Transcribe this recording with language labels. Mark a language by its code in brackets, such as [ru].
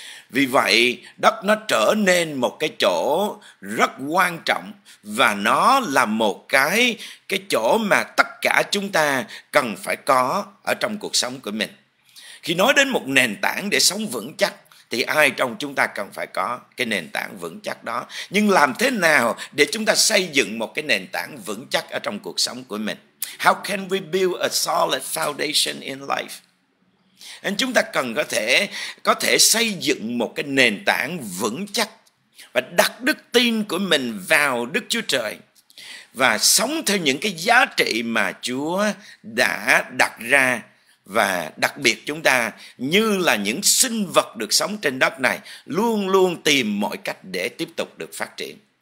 [vi] Vì vậy đất nó trở nên một cái chỗ rất quan trọng, và nó là một cái chỗ mà tất cả chúng ta cần phải có ở trong cuộc sống của mình. Khi nói đến một nền tảng để sống vững chắc thì ai trong chúng ta cần phải có cái nền tảng vững chắc đó. Nhưng làm thế nào để chúng ta xây dựng một cái nền tảng vững chắc ở trong cuộc sống của mình? [en] How can we build a solid foundation in life? [vi] Nên chúng ta cần có thể xây dựng một cái nền tảng vững chắc và đặt đức tin của mình vào Đức Chúa Trời và sống theo những cái giá trị mà Chúa đã đặt ra. Và đặc biệt chúng ta như là những sinh vật được sống trên đất này luôn luôn tìm mọi cách để tiếp tục được phát triển.